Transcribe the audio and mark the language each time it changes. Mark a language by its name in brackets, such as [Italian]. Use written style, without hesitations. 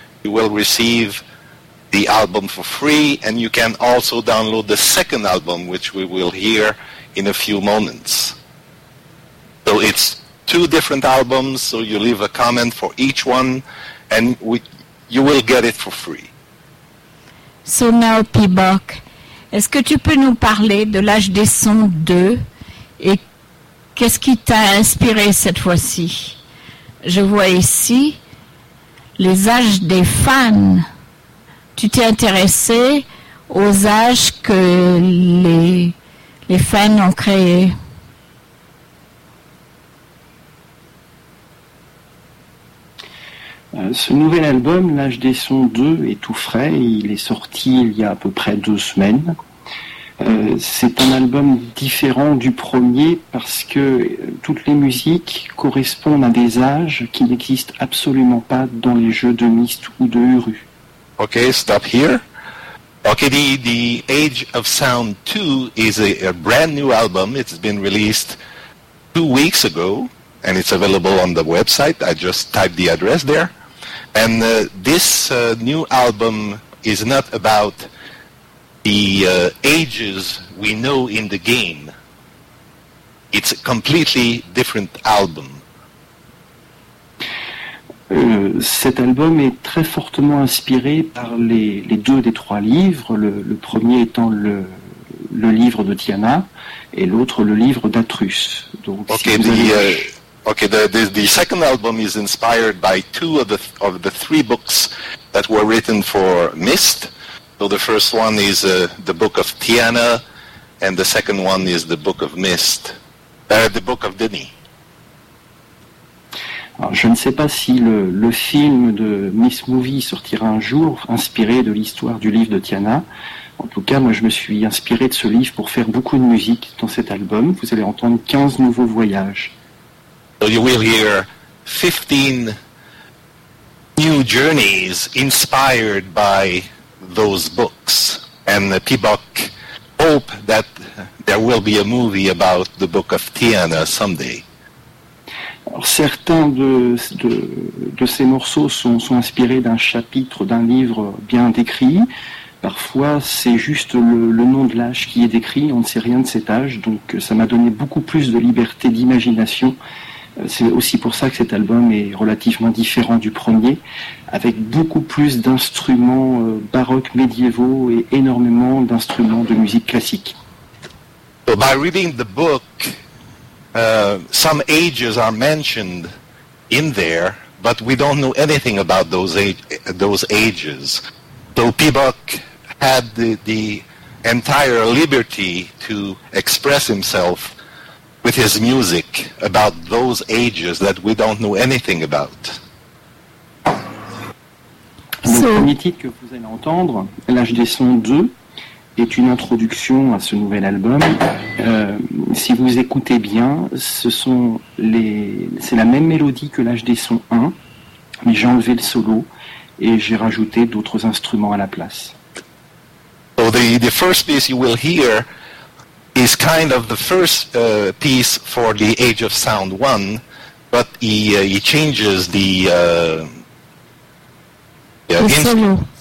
[English] You will receive the album for free, and you can also download the second album, which we will hear in a few moments. So it's two different albums, so you leave a comment for each one and you will get it for free. So now, [French] Peabok, est-ce que tu peux nous parler de l'âge des sons 2 et qu'est-ce qui t'a inspiré cette fois-ci? Je vois ici les âges des fans. Tu t'es intéressé aux âges que les fans ont créés. Ce nouvel album, L'âge des sons 2, est tout frais. Il est sorti il y a à peu près 2 semaines. C'est un album différent du premier parce que toutes les musiques correspondent à des âges qui n'existent absolument pas dans les jeux de Myst ou de Uru. [English] Ok, stop here. Ok, the Age of Sound 2 is a brand new album. It's been released 2 weeks ago and it's available on the website. I just typed the address there. And this new album is not about the ages we know in the game. It's a completely different album. [French] Cet album est très fortement inspiré par les deux des trois livres, le premier étant le livre de Tiana et l'autre le livre d'Atrus. Donc, okay, si vous avez... [English] Okay, the second album is inspired by two of the three books that were written for Myst. So the first one is the Book of Tiana, and the second one is the Book of Myst, the Book of Denis. [French] Alors, je ne sais pas si le film de Miss Movie sortira un jour, inspiré de l'histoire du livre de Tiana. En tout cas, moi, je me suis inspiré de ce livre pour faire beaucoup de musique dans cet album. Vous allez entendre 15 nouveaux voyages. [English] So you will hear 15 new journeys inspired by those books. And the Pibok hope that there will be a movie about the book of Tiana someday. [French] Alors, certains de ces morceaux sont inspirés d'un chapitre, d'un livre bien décrit. Parfois, c'est juste le nom de l'âge qui est décrit, on ne sait rien de cet âge, donc ça m'a donné beaucoup plus de liberté d'imagination. C'est aussi pour ça que cet album est relativement différent du premier, avec beaucoup plus d'instruments baroques, médiévaux et énormément d'instruments de musique classique. [English] So by reading the book, some ages are mentioned in there, but we don't know anything about those ages. So Pibok had the entire liberty to express himself with his music about those ages that we don't know anything about. [French] Le premier titre que vous allez entendre, L'âge des sons 2, est une introduction à ce nouvel album. Si vous écoutez bien, c'est la même mélodie que L'âge des sons 1, mais j'ai enlevé le solo et j'ai rajouté d'autres instruments à la place. [English] So the first piece you will hear is kind of the first piece for the Age of Sound 1, but he changes the solo.